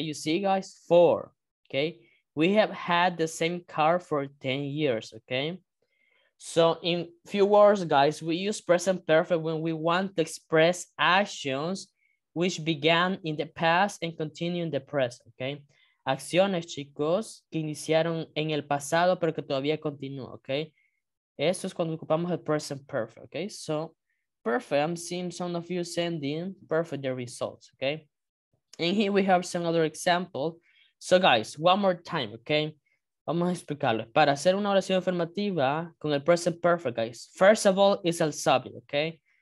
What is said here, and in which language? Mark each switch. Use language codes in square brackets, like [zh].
[en] You see, guys, four, okay? We have had the same car for 10 years, okay? So in few words, guys, we use present perfect when we want to express actions which began in the past and continue in the present, okay? [es] Acciones, chicos, que iniciaron en el pasado, pero que todavía continúan, okay? Eso es cuando ocupamos el present perfect, okay? [en] So, perfect, I'm seeing some of you sending perfect the results, okay? And here we have some other example. So guys, one more time, okay? [es] Vamos a explicarlo. Para hacer una oración afirmativa con el present perfect, [en] guys, first of all, is [es] el subject, okay?